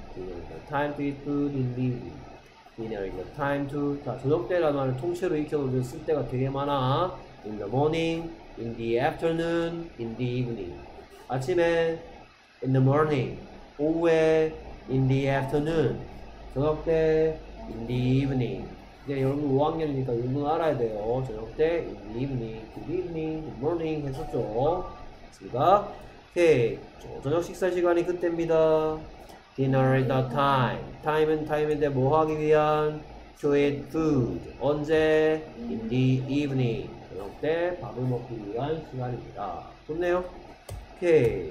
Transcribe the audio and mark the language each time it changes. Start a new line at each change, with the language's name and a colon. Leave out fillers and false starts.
English: Dinner is the time to eat food in the evening. Dinner is the time to.
Korean: 자, 저녁 때라는 말을 통째로 익혀도 쓸 때가 되게 많아.
English: In the morning, in the afternoon, in the evening. 아침에, in the morning. 오후에, in the afternoon. 저녁 때, in the evening.
Korean: 이제 여러분 5학년이니까 이거 알아야 돼요.
English: 저녁 때, in the evening, good evening, good morning 했었죠.
Korean: 됐습니다. 오케이. 저녁 식사 시간이 그때입니다.
English: Dinner is the time. Time and time인데 뭐 하기 위한? To eat food. 언제? In the evening.
Korean: 저녁 때 밥을 먹기 위한 시간입니다. 좋네요. 오케이.